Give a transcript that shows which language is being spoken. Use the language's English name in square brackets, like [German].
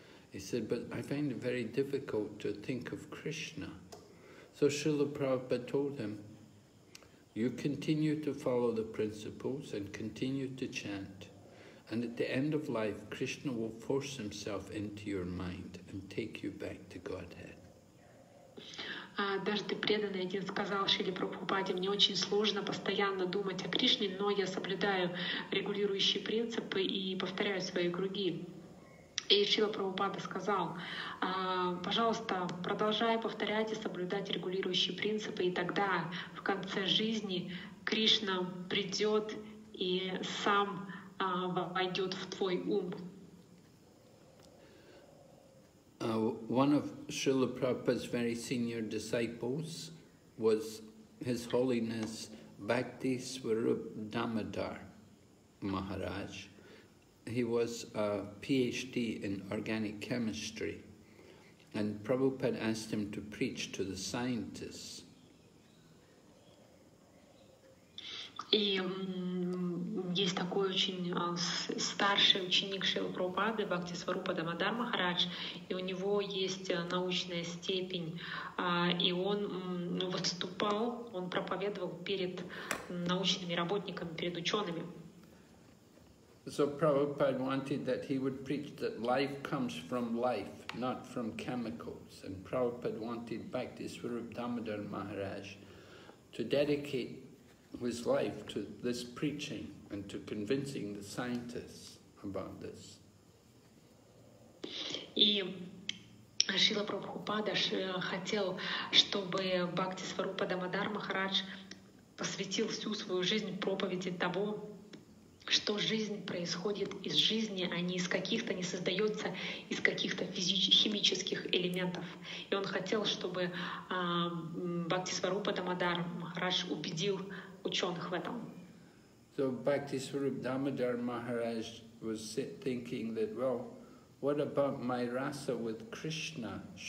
[English] He said, but I find it very difficult to think of Krishna. So Srila Prabhupada told him, you continue to follow the principles and continue to chant, and at the end of life, Krishna will force himself into your mind and take you back to Godhead. [Russian] Даже преданный один сказал Шриле Прабхупаде, мне очень сложно постоянно думать о Кришне, но я соблюдаю регулирующие принципы и повторяю свои круги. И Шрила Прабхупада сказал, пожалуйста, продолжай повторять и соблюдать регулирующие принципы, и тогда в конце жизни Кришна придет и сам войдет в твой ум. [English] One of Srila Prabhupada's very senior disciples was His Holiness Bhakti Swarup Damodar Maharaj. He was a PhD in organic chemistry, and Prabhupada asked him to preach to the scientists. [Russian] И есть такой очень старший ученик Шрилы Прабхупады, Бхакти Сварупа Дамодар Махарадж, и у него есть научная степень, и он выступал, он проповедовал перед научными работниками, перед учеными. [English] So Prabhupada wanted that he would preach that life comes from life, not from chemicals. And Prabhupada wanted Bhakti Swarup Damodar Maharaj to dedicate his life to this preaching and to convincing the scientists about this. [Russian] Шрила Прабхупада хотел, чтобы Бхакти Сварупа Дамодар Махарадж посвятил всю свою жизнь проповеди того, что жизнь происходит из жизни, а не из каких-то, не создается из каких-то химических элементов. И он хотел, чтобы Бхакти Сварупа Дамодар Махарадж убедил ученых в этом. [English] So Bhakti Swarup Damodar Maharaj was thinking that, well, what about my rasa with Krishna?